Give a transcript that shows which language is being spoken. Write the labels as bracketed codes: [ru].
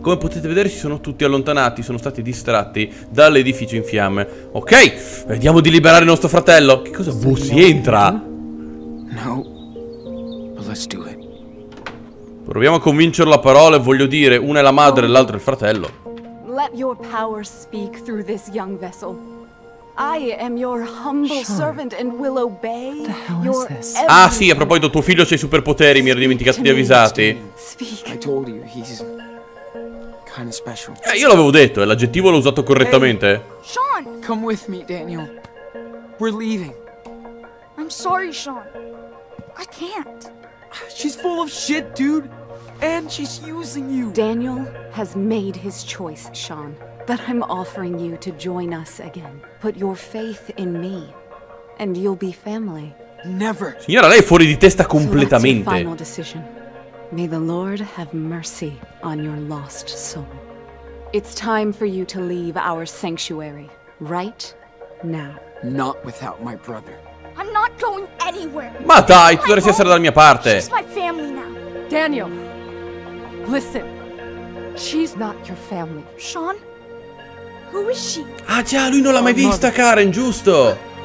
[it] Come potete vedere si sono tutti allontanati. Sono stati distratti dall'edificio in fiamme. Ok, vediamo di liberare il nostro fratello. Che cosa? Boh, si entra. [en] No, but let's do it. [it] Proviamo a convincerlo a parole. Voglio dire, una è la madre e l'altra è il fratello. [en] Let your power speak through this young vessel. I am your humble servant and will obey. What the hell your is this? [it] Ah sì, a proposito, tuo figlio c'ha i superpoteri, mi ero dimenticato di avvisarti. [en] Speak. I told you he's kind of special. [it] Io l'avevo detto, e l'aggettivo l'ho usato correttamente. [en] Hey, Sean, come with me, Daniel. We're leaving. I'm sorry, Sean. I can't. She's full of shit, dude. And she's using you. Daniel has made his choice, Sean. But I'm offering you to join us again. Put your faith in me, and you'll be family. Never. [it] Signora, lei è fuori di testa completamente. [en] So that's your final decision. May the Lord have mercy on your lost soul. It's time for you to leave our sanctuary right now. Not without my brother. I'm not going anywhere. [it] Ma dai, tu dovresti essere dalla mia parte. [en] She's my family now. Daniel, listen. She's not your family. Sean, who is she? [it] Ah già, lui non l'ha mai vista, Karen, giusto?